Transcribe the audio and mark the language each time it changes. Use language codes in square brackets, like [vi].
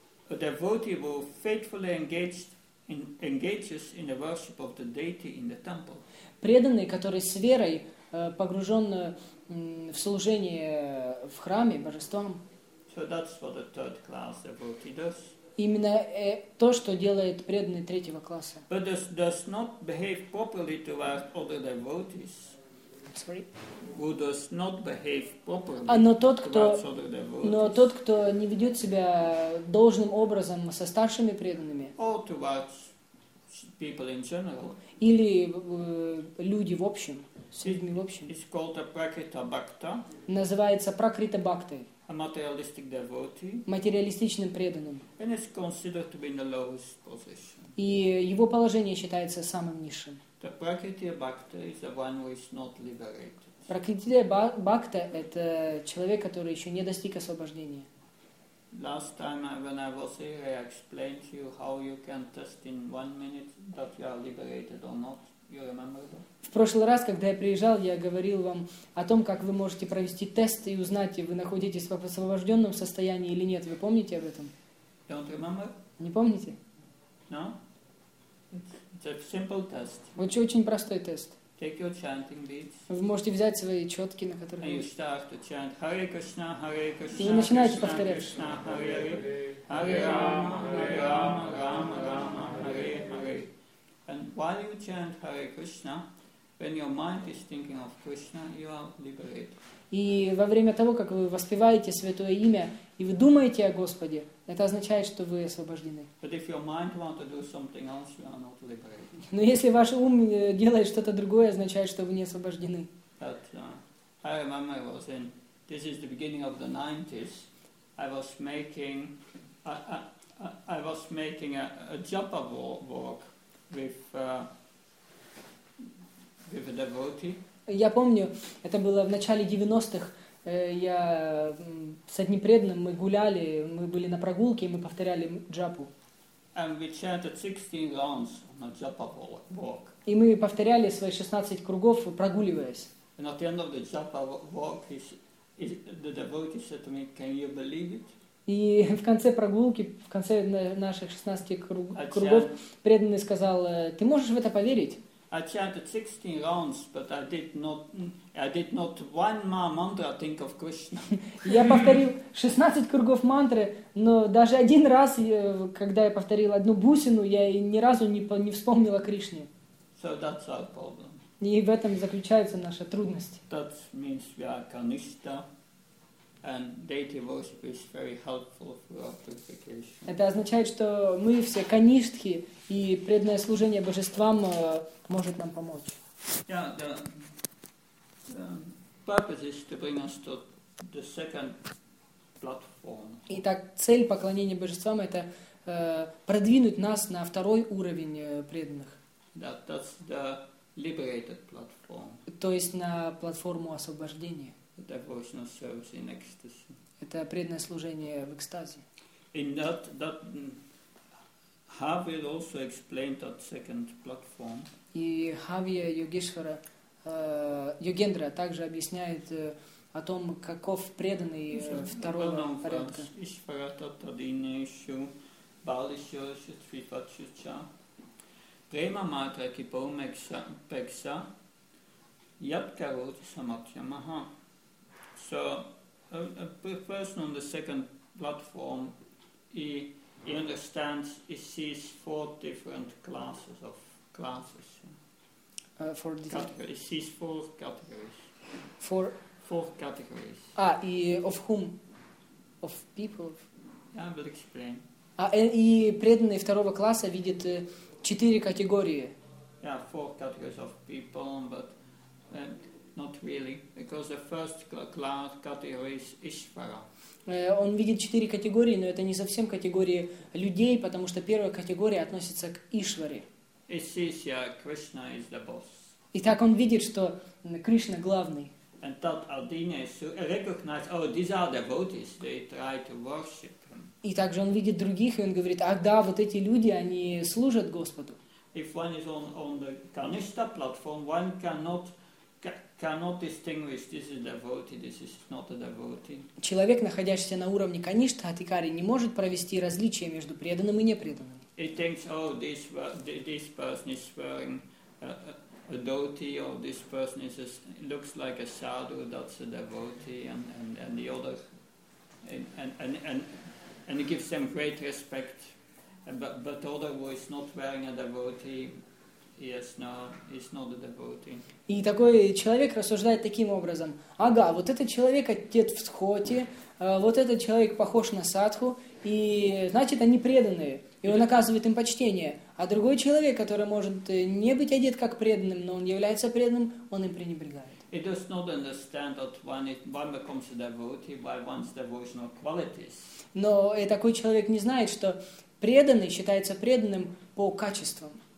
[en] A devotee who faithfully engages in the worship of the deity in the temple. [ru] Преданный, который с верой погружен в служение в храме божествам. [en] So that's what the third class devotee does. [ru] Именно то, что делает преданный третьего класса. [en] But does not behave properly towards other devotees. Sorry. Who does not behave properly towards other devotees. [ru] Но тот, кто не ведет себя должным образом со старшими преданными. [en] Or towards people in general. [ru] Или люди в общем. [en] It's called a prakrita bhakta. [ru] Называется пракрита бхакта. [en] A materialistic devotee. [ru] Материалистичным преданным. [en] And is considered to be in the lowest position. [ru] И его положение считается самым низшим. [en] The prakrita bhakta is the one who is not liberated. [ru] Пракрита бхакта это человек, который еще не достиг освобождения. [en] Last time when I was here, I explained to you how you can test in 1 minute that you are liberated or not. [ru] В прошлый раз, когда я приезжал, я говорил вам о том, как вы можете провести тест и узнать, вы находитесь в освобожденном состоянии или нет. Вы помните об этом? [en] Don't remember? [ru] Не помните? [en] No. It's a simple test. [ru] Очень простой тест. [en] Take your chanting beads. [ru] Вы можете взять свои четки, на которых... [en] And you start to chant Hare Krishna, Hare Krishna, [ru] и начинаете повторять. [sa] Krishna, Hare Hare, Hare Rama, Hare Rama, Rama Rama, Hare Hare. [en] And while you chant Hare Krishna, When your mind is thinking of Krishna, you are liberated. [ru] И во время того, как вы воспеваете Святое Имя, и вы думаете о Господе, это означает, что вы освобождены. [en] But if your mind wants to do something else, you are not liberated. [ru] Но если ваш ум делает что-то другое, означает, что вы не освобождены. [en] But, I remember I was in, this is the beginning of the 90s, I was making a job of work with a devotee. [ru] Я помню, это было в начале 90-х, я с одним преданным, мы гуляли, мы были на прогулке, мы повторяли джапу. [en] And we chanted 16 rounds on a japa walk. [ru] И мы повторяли свои 16 кругов, прогуливаясь. [en] And at the end of the japa walk, the devotee said to me, can you believe it? [ru] И в конце прогулки, в конце наших 16 кругов, преданный сказал, ты можешь в это поверить? [en] I chanted 16 rounds, but I did not one mantra think of Krishna. [ru] Я повторил 16 кругов мантры, но даже один раз, когда я повторил одну бусину, я ни разу не вспомнил о Кришне. [en] So that's our problem. [ru] И в этом заключается наша трудность. [en] That means we are Kanishta, and deity worship is very helpful for our purification. [ru] Это означает, что мы все каништхи, и преданное служение божествам может нам помочь. [en] Yeah, the purpose is to bring us to the second platform. [ru] Итак, цель поклонения божествам это продвинуть нас на второй уровень преданных. [en] That's the liberated platform. [ru] То есть на платформу освобождения. [en] Devotional service in ecstasy. [ru] Это преданное служение в экстазе. [en] In that Хавья also explained that second platform. [ru] И Хавья Йогишвара, Йогендра также объясняет о том, каков преданный второго порядка. [sa] Ишвара Татадине Ишу, Бали Шоши Твипачуча, Према Матра Кипоу Пекса, Ябка Роти Самадхи Маха. [en] So, a person on the second platform, he understands, he sees four different classes of classes. Four categories. He sees four categories. Four? Four categories. Of whom? Of people? Yeah, I will explain. [ru] И преданный второго класса видит четыре категории. [en] Yeah, four categories of people, but not really, because the first class category is Ishvara. [ru] Он видит четыре категории, но это не совсем категории людей, потому что первая категория относится к Ишваре. [en] He sees, yeah, Krishna is the boss. [ru] Итак, он видит, что Кришна главный. [en] And that Ardhini recognizes, oh, these are devotees, they try to worship him. [ru] И также он видит других, и он говорит, ах да, вот эти люди, они служат Господу. [en] If one is on the Kanishta platform, one cannot distinguish this is a devotee, this is not a devotee. [ru] Человек, находящийся на уровне Каништа Атикари, не может провести различия между преданным и непреданным. [en] He thinks, oh, this person is wearing a dhoti, or this person is looks like a sadhu, that's a devotee, and the other, and he gives them great respect, but the other who is not wearing a devotee. Yes, no, he's not a devotee. [ru] И такой человек рассуждает таким образом. Ага, вот этот человек одет в дхоти, вот этот человек похож на садху, и значит, они преданные, и он оказывает им почтение. А другой человек, который может не быть одет как преданным, но он является преданным, он им пренебрегает. [en] He does not understand that one becomes a devotee by one's devotional qualities. [ru] Но и такой человек не знает, что преданный считается преданным по качествам.